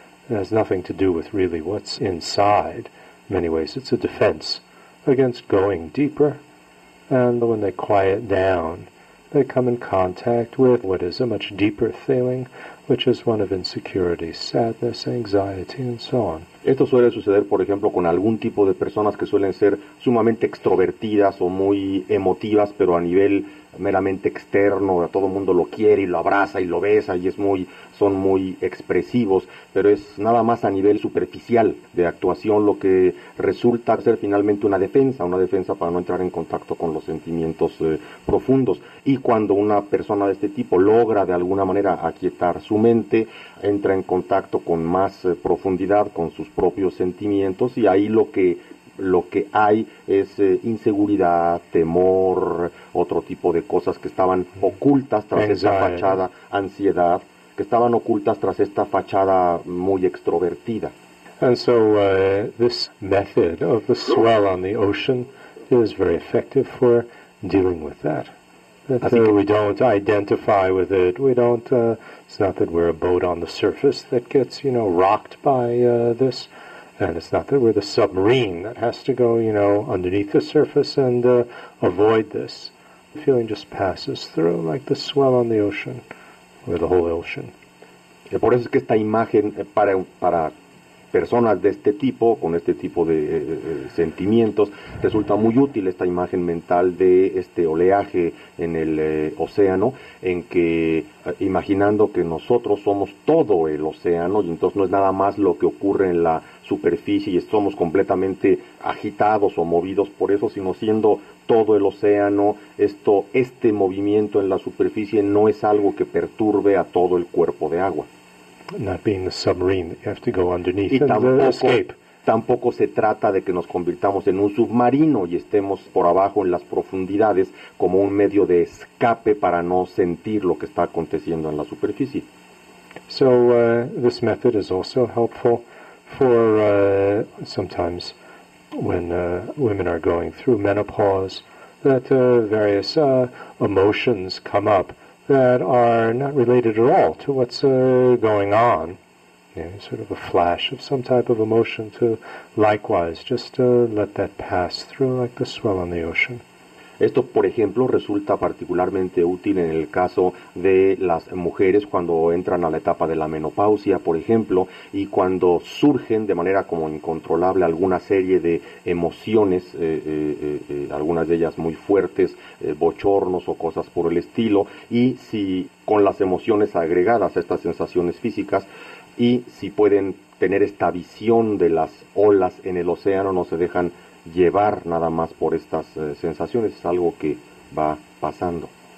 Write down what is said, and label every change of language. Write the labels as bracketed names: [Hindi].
[English] It has nothing to do with really what's inside. In many ways, it's a defense against going deeper. And when they quiet down, they come in contact with what is a much deeper feeling, which is one of insecurity, sadness, anxiety, and so on. [Spanish] Esto suele suceder, por ejemplo, con algún tipo de personas que suelen ser sumamente extrovertidas o muy emotivas, pero a nivel meramente externo, a todo mundo lo quiere y lo abraza y lo besa y son muy expresivos, pero es nada más a nivel superficial de actuación lo que resulta ser finalmente una defensa para no entrar en contacto con los sentimientos profundos. Y cuando una persona de este tipo logra de alguna manera aquietar su mente, entra en contacto con más profundidad con sus propios sentimientos y ahí lo que hay es inseguridad, temor, otro tipo de cosas que estaban ocultas tras esta fachada, ansiedad, que estaban ocultas tras esta fachada muy extrovertida. [English] And so this method of the swell on the ocean is very effective for dealing with that. That we don't identify with it. We don't, it's not that we're a boat on the surface that gets, you know, rocked by this. And it's not that we're the submarine that has to go, you know, underneath the surface and avoid this. The feeling just passes through like the swell on the ocean, or the whole ocean. [Spanish] Por eso es que esta imagen para personas de este tipo, con este tipo de sentimientos, resulta muy útil esta imagen mental de este oleaje en el océano, en que imaginando que nosotros somos todo el océano, y entonces no es nada más lo que ocurre en la superficie y somos completamente agitados o movidos por eso, sino siendo todo el océano, este movimiento en la superficie no es algo que perturbe a todo el cuerpo de agua. [English] Not being the submarine that you have to go underneath [Spanish] y tampoco, [English] and escape. [Spanish] Tampoco se trata de que nos convirtamos en un submarino y estemos por abajo en las profundidades como un medio de escape para no sentir lo que está aconteciendo en la superficie. [English] So this method is also helpful for sometimes when women are going through menopause, that various emotions come up that are not related at all to what's going on. You know, sort of a flash of some type of emotion to likewise just let that pass through like the swell on the ocean. [Spanish] Esto, por ejemplo, resulta particularmente útil en el caso de las mujeres cuando entran a la etapa de la menopausia, por ejemplo, y cuando surgen de manera como incontrolable alguna serie de emociones, algunas de ellas muy fuertes, bochornos o cosas por el estilo, y si con las emociones agregadas a estas sensaciones físicas, y si pueden tener esta visión de las olas en el océano, no se dejan llevar nada más por estas sensaciones, es algo que va pasando.